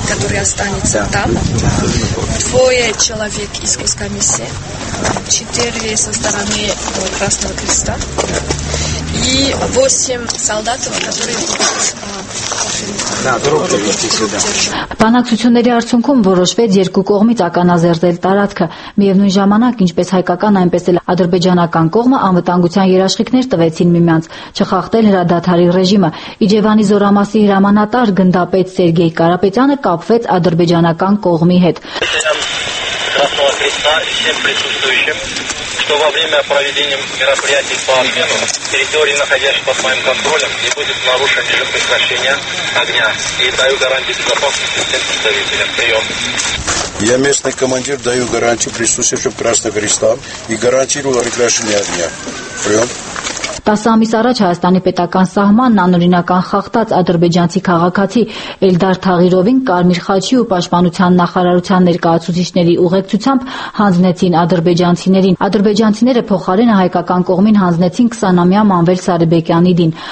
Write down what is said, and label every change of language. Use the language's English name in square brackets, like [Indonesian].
[Russian] Там двое человек из Госкомиссии, четыре со стороны Красного Креста и восемь солдат, которые будут... [Armenian] Բանակցությունների արդյունքում որոշվեց երկու կողմից ականաձեռնել տարածքը։ Միևնույն ժամանակ, ինչպես հայկական, այնպես էլ ադրբեջանական կողմը անվտանգության երաշխիքներ տվեցին միմյանց, չխախտել հրադադարի ռեժիմը։ Իջևանի զորամասի հրամանատար գնդապետ Սերգեյ Կարապետյանը կապվեց ադրբեջանական կողմի հետ։ [Russian] что во время проведения мероприятий по обмену территории, находящихся под моим контролем, не будет нарушен режим прекращения огня. И даю гарантии безопасности всем представителям. Прием. Я местный командир, даю гарантию присутствующим Красного Креста и гарантирую прекращение огня. Прием. [Armenian] 10 ամիս առաջ Հայաստանի պետական սահմանն անօրինական խախտած ադրբեջանցի քաղաքացի Էլդար Թաղիրովին կարմիր խաչի ու պաշտպանության նախարարության ներկայացուցիչների ուղեկցությամբ հանձնեցին ադրբեջանցիներին։ Ադրբեջանցիները փոխարեն հայկական կողմին հանձնեցին 20-ամյա Մանվել Սարիբեկյանի դին։